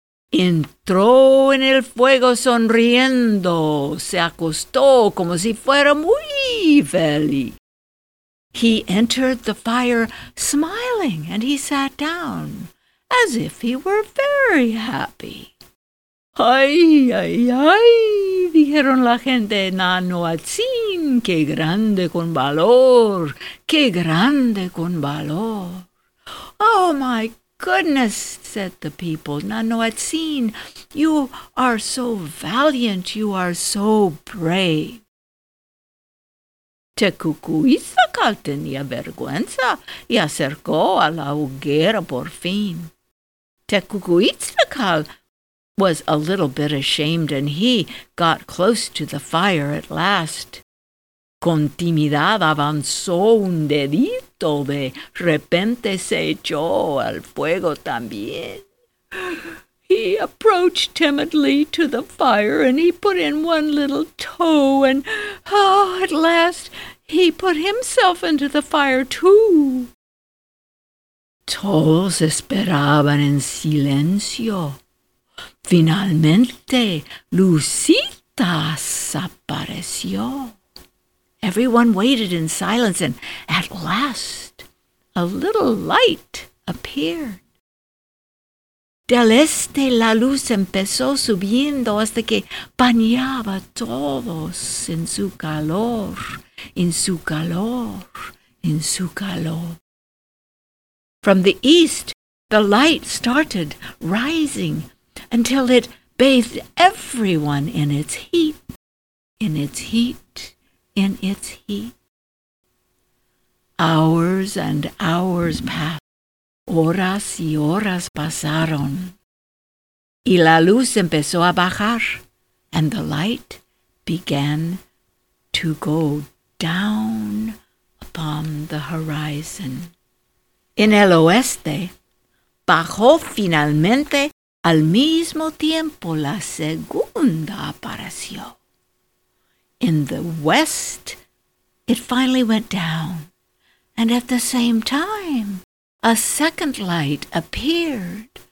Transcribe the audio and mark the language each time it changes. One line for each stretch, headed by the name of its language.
Spanish: Entró en el fuego sonriendo. Se acostó como si fuera muy feliz.
English: He entered the fire smiling and he sat down as if he were very happy. ¡Ay, ay, ay!
Spanish: Dijeron la gente, Nanoatzin, ¡qué grande con valor! ¡Qué grande con valor!
English: ¡Oh, my God! Goodness, said the people, Nanoatzin, you are so valiant, you are so brave.
Spanish: Tecucuitzacatl tenía vergüenza y acercó a la hoguera por fin.
English: Tecucuitzacatl was a little bit ashamed, and he got close to the fire at last.
Spanish: Con timidez avanzó un dedito, de repente se echó al fuego también.
English: He approached timidly to the fire, and he put in one little toe, and, oh, at last he put himself into the fire, too.
Spanish: Todos esperaban en silencio. Finalmente, Lucita apareció.
English: Everyone waited in silence, and at last, a little light appeared.
Spanish: Del este la luz empezó subiendo hasta que bañaba a todos en su calor, en su calor, en su calor.
English: From the east, the light started rising until it bathed everyone in its heat, in its heat, in its heat. Hours and hours passed.
Spanish: Horas y horas pasaron, y la luz empezó a bajar,
English: and the light began to go down upon the horizon.
Spanish: En el oeste, bajó finalmente al mismo tiempo la segunda aparición.
English: In the west, it finally went down, and at the same time, a second light appeared.